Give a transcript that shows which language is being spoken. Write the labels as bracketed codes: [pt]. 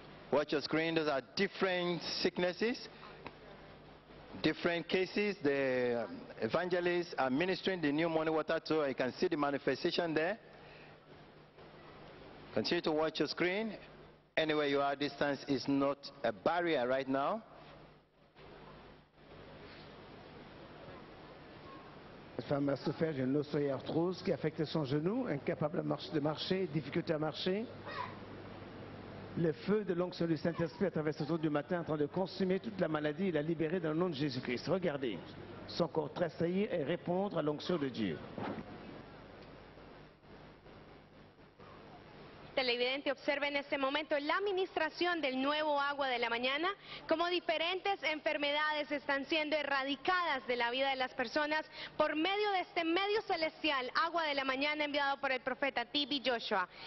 [en] Watch your screen. Those are different sicknesses, different cases. The evangelists are ministering the new morning water to. You can see the manifestation there. Continue to watch your screen. Anywhere you are, distance is not a barrier right now. [fr] Cette femme a souffert d'une osteoarthrose qui affectait son genou, incapable de marcher, difficulté à marcher. Le feu de l'onction du Saint-Esprit à travers ses os du matin en train de consumer toute la maladie et la libérer dans le nom de Jésus-Christ. Regardez, son corps tressaillir et répondre à l'onction de Dieu. [es] Televidente observa en este momento la administración del nuevo agua de la mañana, como diferentes enfermedades están siendo erradicadas de la vida de las personas por medio de este medio celestial, agua de la mañana enviado por el profeta Tibi Joshua.